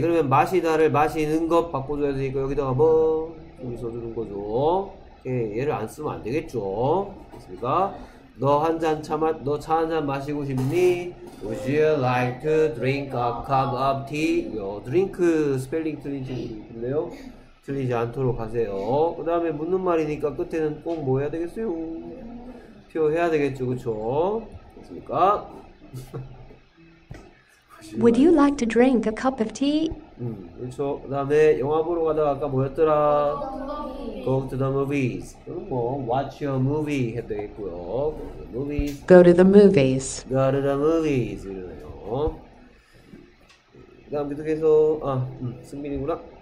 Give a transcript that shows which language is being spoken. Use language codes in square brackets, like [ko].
[ko] 그러면 마시다를 마시는 것 바꿔줘야 되니까 여기다가 뭐좀 써주는 거죠. 오케이. 얘를 안 쓰면 안 되겠죠. 그러니까 너차한잔 마시고 싶니? [en] Would you like to drink a cup of tea? [ko] 요 drink 스펠링 틀린지 모르겠는데요. 틀리지 않도록 하세요. 그 다음에 묻는 말이니까 끝에는 꼭뭐 해야 되겠어요? 표현해야 되겠죠, 그쵸? 맞습니까? [en] Would you like to drink a cup of tea? [ko] 그쵸. 그 다음에 영화 보러 가다가 아까 뭐였더라? [en] Go to the movies. [ko] 그럼 뭐, [en] watch your movie [ko] 해도 되겠고요. [en] Go to the movies. Go to the movies. [ko] 이러네요. 그 다음 계속해서, 승민이구나.